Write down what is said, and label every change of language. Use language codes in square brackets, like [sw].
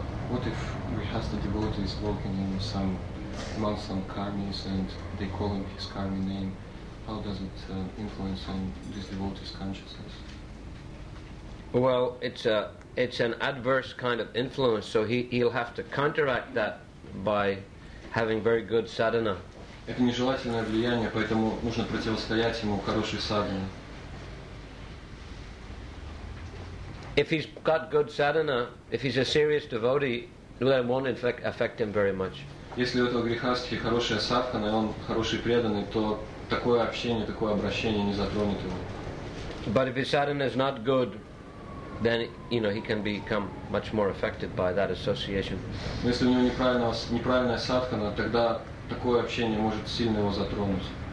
[en] What if Grihastha devotee is working in some among some karmis and they call him his karmi name? How does it influence on this devotee's consciousness? Well, it's an adverse kind of influence, so he'll have to counteract that by having very good sadhana. [ru] Это нежелательное влияние, поэтому нужно противостоять ему хорошей садхане. [en] If he's got good sadhana, if he's a serious devotee, then it won't affect him very much. [ru] Если у этого грехастхи хорошая садхана, и он хороший преданный, то такое общение, такое обращение не затронет его. [en] But if his sadhana is not good, then you know he can become much more affected by that association. [ru] Но если у него неправильная садхана, тогда такое общение может сильно его затронуть.